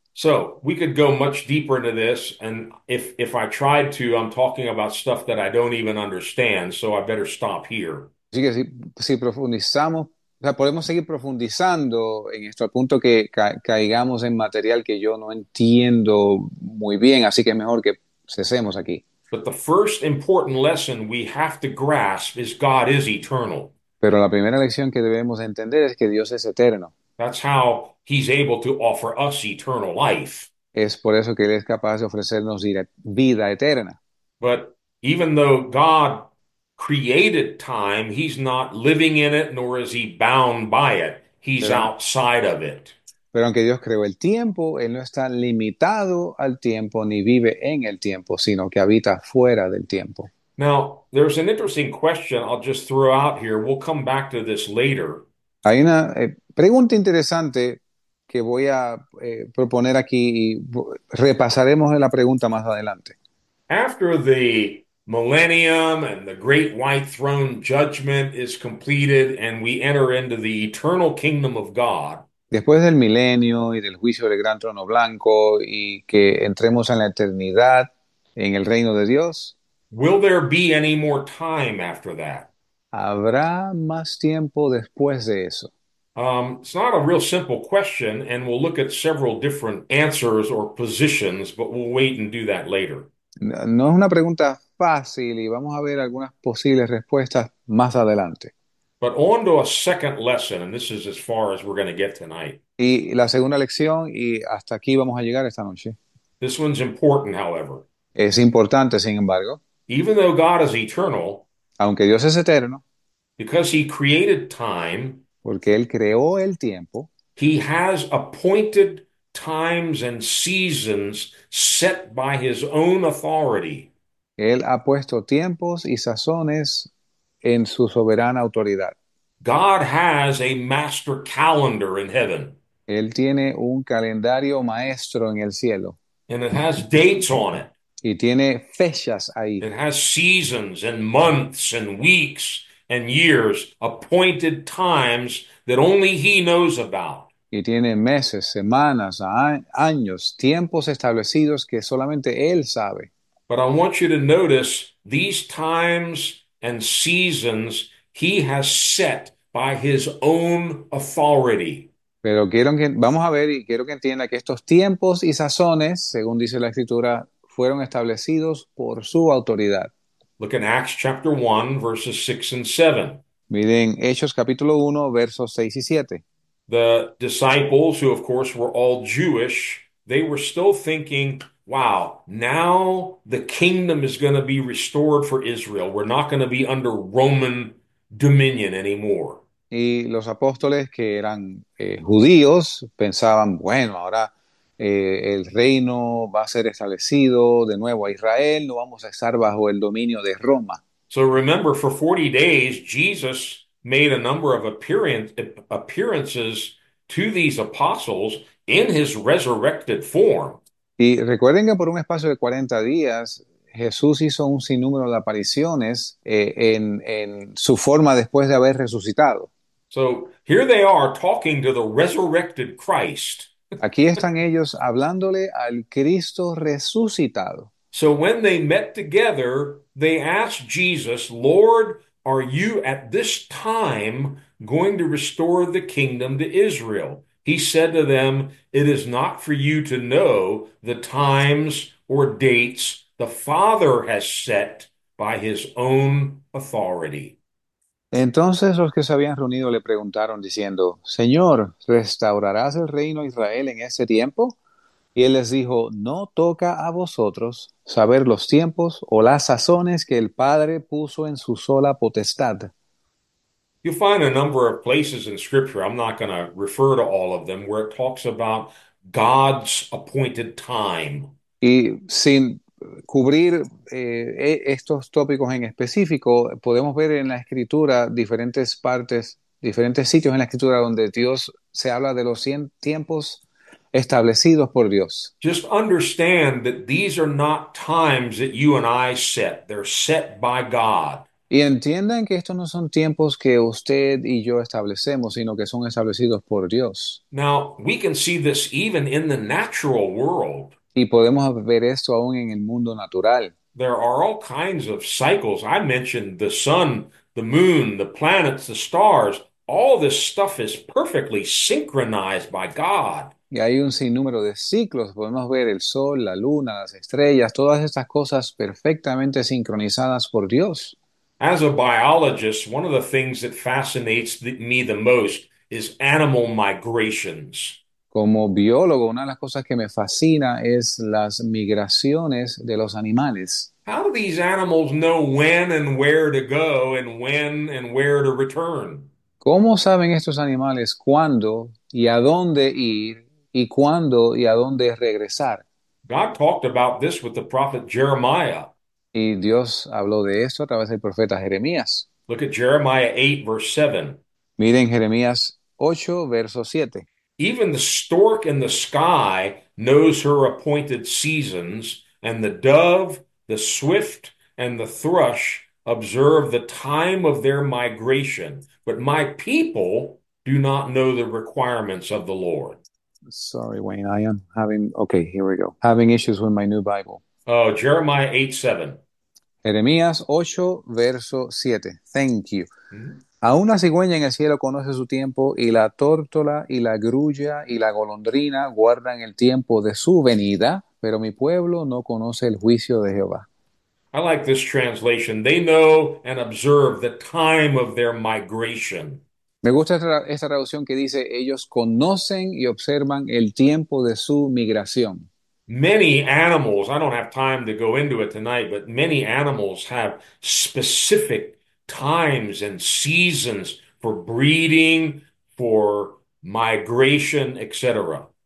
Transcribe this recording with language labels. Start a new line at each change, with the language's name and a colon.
English: So we could go much deeper into this, and if I tried to, I'm talking about stuff that I don't even understand, so I better stop here.
Spanish: Si profundizamos, o sea, podemos seguir profundizando en esto al punto que caigamos en material que yo no entiendo muy bien, así que es mejor que cesemos aquí.
English: But the first important lesson we have to grasp is God is eternal.
Spanish: Pero la primera lección que debemos entender es que Dios es eterno.
English: That's how he's able to offer us eternal life.
Spanish: Es por eso que Él es capaz de ofrecernos vida eterna.
English: But even though God created time, he's not living in it, nor is he bound by it. He's outside of it.
Spanish: Pero aunque Dios creó el tiempo, Él no está limitado al tiempo ni vive en el tiempo, sino que habita fuera del tiempo.
English: Now, there's an interesting question I'll just throw out here. We'll come back to this later.
Spanish: Hay una pregunta interesante que voy a proponer aquí y repasaremos la pregunta más adelante.
English: After the millennium and the great white throne judgment is completed and we enter into the eternal kingdom of God.
Spanish: Después del milenio y del juicio del gran trono blanco y que entremos en la eternidad en el reino de Dios,
English: Will there be any more time after that?
Spanish: ¿habrá más tiempo después de eso?
English: It's not a real simple question, and we'll look at several different answers or positions, but we'll wait and do that later.
Spanish: No es una pregunta fácil y vamos a ver algunas posibles respuestas más adelante.
English: But on to a second lesson, and this is as far as we're going to get tonight.
Spanish: Y la segunda lección, y hasta aquí vamos a llegar esta noche.
English: This one's important, however.
Spanish: Es importante, sin embargo,
English: Even though God is eternal,
Spanish: aunque Dios es eterno,
English: because he created time,
Spanish: porque Él creó el tiempo,
English: he has appointed times and seasons set by his own authority.
Spanish: Él ha puesto tiempos y sazones en su soberana autoridad.
English: God has a master calendar in heaven,
Spanish: Él tiene un calendario maestro en el cielo
English: and it has dates on it.
Spanish: y tiene fechas ahí.
English: It has seasons and months and weeks and years, appointed times that only he knows about.
Spanish: Y tiene meses, semanas, años, tiempos establecidos que solamente Él sabe.
English: But I want you to notice these times and seasons he has set by his own authority.
Spanish: Pero quiero que vamos a ver y quiero que entienda que estos tiempos y sazones, según dice la Escritura, fueron establecidos por su autoridad.
English: Look in Acts chapter 1, verses 6 and 7.
Spanish: Miren Hechos capítulo 1, versos 6 y 7.
English: The disciples, who of course were all Jewish, they were still thinking, wow, now the kingdom is going to be restored for Israel. We're not going to be under Roman dominion anymore.
Spanish: Y los apóstoles que eran judíos pensaban, bueno, ahora el reino va a ser establecido de nuevo a Israel, no vamos a estar bajo el dominio de Roma.
English: So remember, for 40 days, Jesus made a number of appearances to these apostles in his resurrected form.
Spanish: Y recuerden que por un espacio de 40 días, Jesús hizo un sinnúmero de apariciones en su forma después de haber resucitado.
English: So here they are talking to the resurrected Christ.
Spanish: Aquí están ellos hablándole al Cristo resucitado.
English: So when they met together, they asked Jesus, Lord, are you at this time going to restore the kingdom to Israel? He said to them, it is not for you to know the times or dates the Father has set by his own authority.
Spanish: Entonces los que se habían reunido le preguntaron diciendo, Señor, ¿restaurarás el reino de Israel en ese tiempo? Y él les dijo, no toca a vosotros saber los tiempos o las sazones que el Padre puso en su sola potestad.
English: You'll find a number of places in Scripture, I'm not going to refer to all of them, where it talks about God's appointed time.
Spanish: Y sin cubrir estos tópicos en específico, podemos ver en la escritura diferentes partes, diferentes sitios en la escritura donde Dios se habla de los 100 tiempos establecidos por Dios.
English: Just understand that these are not times that you and I set, they're set by God.
Spanish: Y entiendan que estos no son tiempos que usted y yo establecemos, sino que son establecidos por Dios.
English: Now, we can see this even in the natural world.
Spanish: Y podemos ver esto aún en el mundo natural.
English: There are all kinds of cycles. I mentioned the sun, the moon, the planets, the stars. All this stuff is perfectly synchronized by God.
Spanish: Y hay un sinnúmero de ciclos. Podemos ver el sol, la luna, las estrellas, todas estas cosas perfectamente sincronizadas por Dios.
English: As a biologist, one of the things that fascinates me the most is animal migrations.
Spanish: Como biólogo, una de las cosas que me fascina es las migraciones de los animales.
English: How do these animals know when and where to go and when and where to return?
Spanish: ¿Cómo saben estos animales cuándo y a dónde ir y cuándo y a dónde regresar?
English: God talked about this with the prophet Jeremiah.
Spanish: Y Dios habló de esto a través del profeta Jeremías.
English: Look at Jeremiah 8, verse 7.
Spanish: Miren Jeremías 8, verso 7.
English: Even the stork in the sky knows her appointed seasons, and the dove, the swift, and the thrush observe the time of their migration, but my people do not know the requirements of the Lord. Sorry, Wayne, I am having, okay, here we go. Having issues with my new Bible. Oh, Jeremiah 8, 7.
Spanish: Jeremías 8, verso 7.
English: Thank you.
Spanish: Aún la cigüeña en el cielo conoce su tiempo, y la tórtola y la grulla y la golondrina guardan el tiempo de su venida, pero mi pueblo no conoce el juicio de Jehová.
English: I like this translation. They know and observe the time of their migration.
Spanish: Me gusta esta traducción que dice, ellos conocen y observan el tiempo de su migración.
English: Many animals, I don't have time to go into it tonight, but many animals have specific times and seasons for breeding, for migration, etc.